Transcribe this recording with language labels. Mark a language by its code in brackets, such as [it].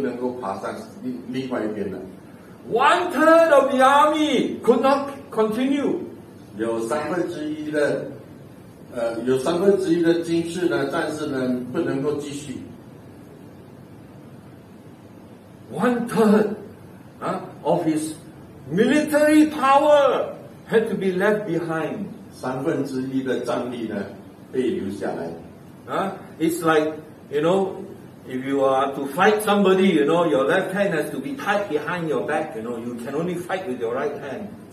[zh] 一个山谷地区下山谷的时候容易，还有200人呢，却太累，不能够爬上另外一边了。 [en] One third of the army could not continue. [zh] 有三分之一的军士呢，战士呢，不能够继续。 [en] One third of his military power had to be left behind. [zh] 三分之一的战力呢，被留下来。 [en] It's like, you know, if you are to fight somebody, you know, your left hand has to be tied behind your back, you know, you can only fight with your right hand.